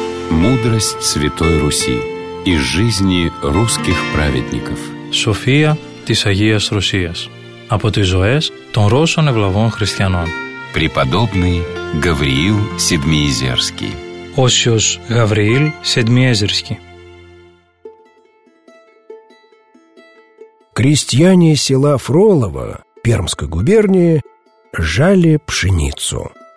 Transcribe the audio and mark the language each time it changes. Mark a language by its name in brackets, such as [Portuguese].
[Russian] Мудрость Святой Руси из жизни русских праведников. [Greek] София της Αγίας Ρωσίας. Από τις ζωές των Ρώσων ευλαβών χριστιανών. [Russian] Преподобный Гавриил Седмиезерский. [Greek] Осиος Гавриил Седмиезерский. [Russian] Крестьяне села Фролово Пермской губернии жали пшеницу.